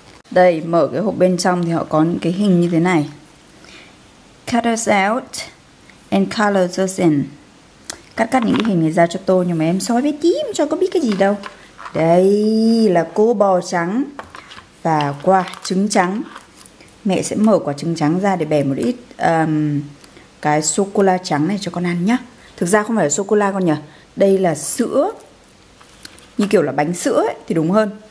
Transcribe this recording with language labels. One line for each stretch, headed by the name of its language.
Vietnamese: Đây, mở cái hộp bên trong thì họ có những cái hình như thế này.
English: Cut us out and color us in.
Vietnamese: Cắt cắt những cái hình này ra cho tôi. Nhưng mà em soi với tím cho có biết cái gì đâu. Đây là cô bò trắng và quả trứng trắng. Mẹ sẽ mở quả trứng trắng ra để bẻ một ít cái sô-cô-la trắng này cho con ăn nhá. Thực ra không phải là sô-cô-la con nhỉ. Đây là sữa. Như kiểu là bánh sữa ấy, thì đúng hơn.